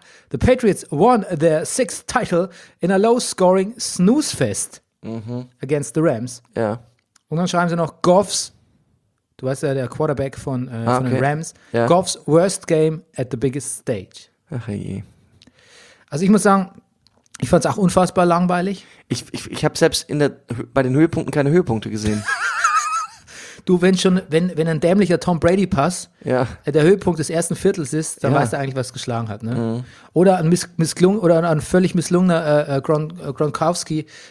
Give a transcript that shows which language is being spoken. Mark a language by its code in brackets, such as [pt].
[en] The Patriots won their sixth title in a low-scoring snooze-fest against the Rams. [de] Ja. Und dann schreiben sie noch Goffs. Du weißt ja, der Quarterback von den Rams. Ja. [en] Goff's worst game at the biggest stage. [de] Ach je. Also ich muss sagen, ich fand es auch unfassbar langweilig. Ich habe selbst bei den Höhepunkten keine Höhepunkte gesehen. Du, wenn ein dämlicher Tom Brady Pass der Höhepunkt des ersten Viertels ist, dann weißt du eigentlich, was geschlagen hat. Ne? Mhm. Oder ein völlig misslungener Gronkowski